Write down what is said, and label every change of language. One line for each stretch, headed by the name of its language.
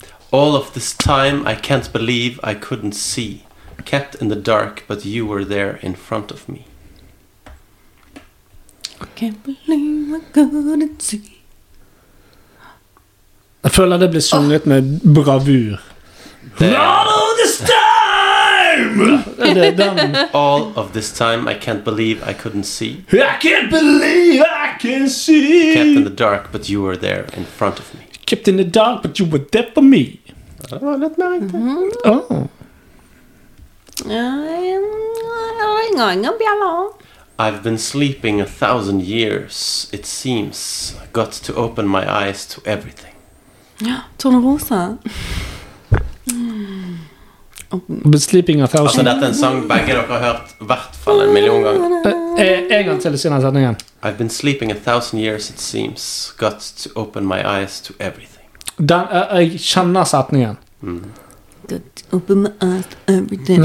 English: All of this time I can't believe I couldn't see. Kept in the dark, but you were there in front of me. I can't believe I couldn't see.
Norwegian: Jeg føler det blir sunget med bravur.
English: All of this time! All of this time, I can't believe I couldn't see. I can't believe I can see! Kept in the dark, but you were there in front of me. Kept in the dark, but you were there for me. All at night. I've been sleeping 1,000 years, it seems. Got to open my eyes to everything.
Norwegian: Tornerosa.
English: Been sleeping 1,000 years.
Norwegian: Altså, dette er en sang begge dere har hørt hvertfall en million ganger. En gang til siden av setningen.
English: I've been sleeping 1,000 years, it seems. Got to open my eyes to everything.
Norwegian: Den, jeg kjenner setningen.
English: Open my eyes to everything.